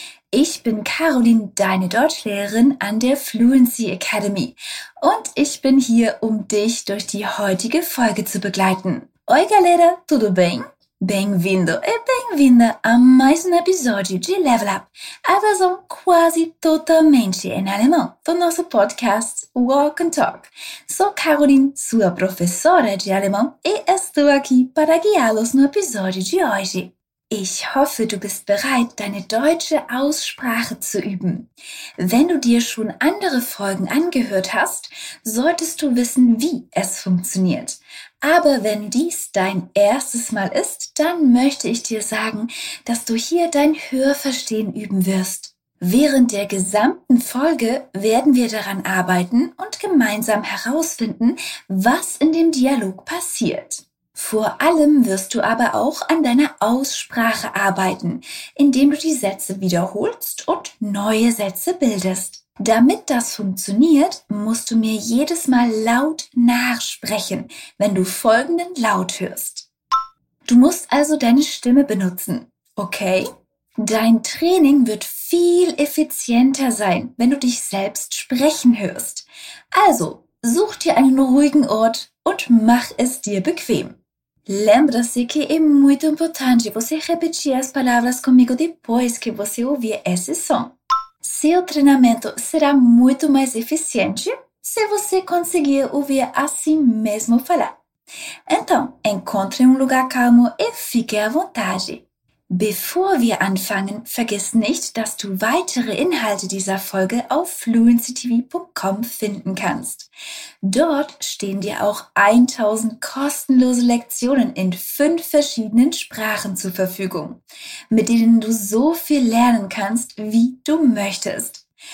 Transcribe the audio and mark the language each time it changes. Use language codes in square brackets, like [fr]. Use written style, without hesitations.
[de] Ich bin Caroline, deine Deutschlehrerin an der Fluency Academy und ich bin hier, um dich durch die heutige Folge zu begleiten. [pt] Oi galera, tudo bem? Bem-vindo e bem-vinda a mais episódio de Level Up, a versão quase totalmente em alemão do nosso podcast Walk and Talk. Sou Caroline, sua professora de alemão, e estou aqui para guiá-los no episódio de hoje. [de] Ich hoffe, du bist bereit, deine deutsche Aussprache zu üben. Wenn du dir schon andere Folgen angehört hast, solltest du wissen, wie es funktioniert. Aber wenn dies dein erstes Mal ist, dann möchte ich dir sagen, dass du hier dein Hörverstehen üben wirst. Während der gesamten Folge werden wir daran arbeiten und gemeinsam herausfinden, was in dem Dialog passiert. Vor allem wirst du aber auch an deiner Aussprache arbeiten, indem du die Sätze wiederholst und neue Sätze bildest. Damit das funktioniert, musst du mir jedes Mal laut nachsprechen, wenn du folgenden Laut hörst. Du musst also deine Stimme benutzen, okay? Dein Training wird viel effizienter sein, wenn du dich selbst sprechen hörst. Also, such dir einen ruhigen Ort und mach es dir bequem. [pt] Lembra-se que é muito importante você repetir as palavras comigo depois que você ouvir esse som. Seu treinamento será muito mais eficiente se você conseguir ouvir a si mesmo falar. Então, encontre lugar calmo e fique à vontade. [de] Bevor wir anfangen, vergiss nicht, dass du weitere Inhalte dieser Folge auf fluencytv.com finden kannst. Dort stehen dir auch 1000 kostenlose Lektionen in 5 verschiedenen Sprachen zur Verfügung, mit denen du so viel lernen kannst, wie du möchtest.